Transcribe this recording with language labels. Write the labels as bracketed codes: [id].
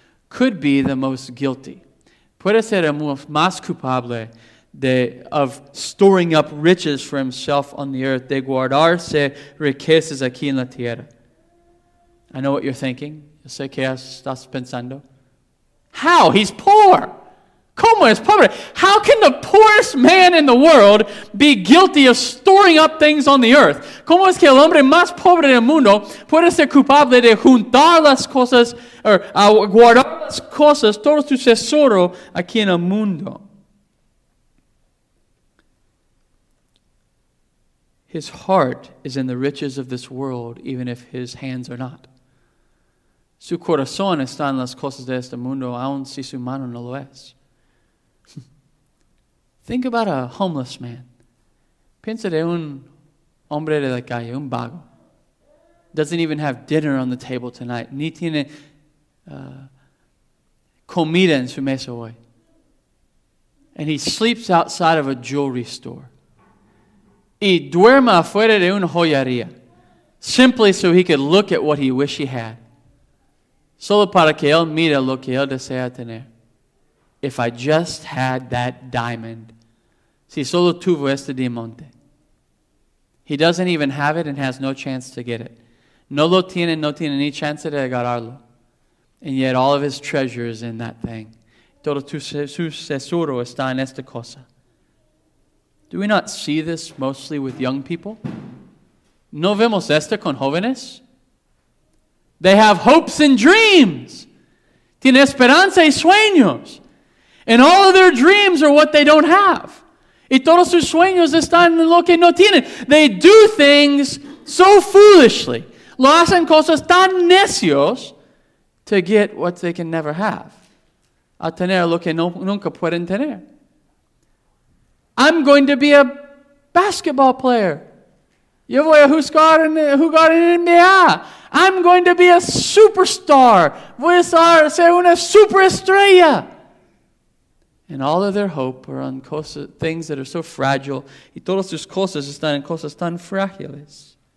[en] could be the most guilty. [es] Puede ser el más culpable [en] of storing up riches for himself on the earth, [es] de guardarse riquezas aquí en la tierra. [en] I know what you're thinking. [es] Yo sé que estás pensando. [en] How? He's poor. [es] ¿Cómo es pobre? [en] How can the poorest man in the world be guilty of storing up things on the earth? [es] ¿Cómo es que el hombre más pobre del mundo puede ser culpable de juntar las cosas, guardar las cosas, todo su tesoro aquí en el mundo? [en] His heart is in the riches of this world, even if his hands are not. [es] Su corazón está en las cosas de este mundo, aun si su mano no lo es. [en] Think about a homeless man. [es] Piensa de un hombre de la calle, un vago. [en] Doesn't even have dinner on the table tonight. [es] Ni tiene comida en su mesa hoy. [en] And he sleeps outside of a jewelry store. [es] Y duerma afuera de una joyería. [en] Simply so he could look at what he wish he had. [es] Solo para que él mire lo que él desea tener. [en] If I just had that diamond. [es] Si solo tuvo este diamante. [en] He doesn't even have it and has no chance to get it. [es] No lo tiene, no tiene ni chance de agarrarlo. [en] And yet all of his treasure is in that thing. [es] Todo su tesoro está en esta cosa. [en] Do we not see this mostly with young people? [es] ¿No vemos esto con jóvenes? [en] They have hopes and dreams. [es] Tiene esperanza y sueños. [en] And all of their dreams are what they don't have. [es] Y todos sus sueños están en lo que no tienen. [en] They do things so foolishly. [es] Lo hacen cosas tan necios [en] to get what they can never have. [es] A tener lo que nunca pueden tener. [en] I'm going to be a basketball player. [es] Yo voy a jugar en NBA. [en] I'm going to be a superstar. [es] Voy a ser una superestrella. [en] And all of their hope are on cosas, things that are so fragile. [es] Y todas sus cosas están en cosas tan frágiles.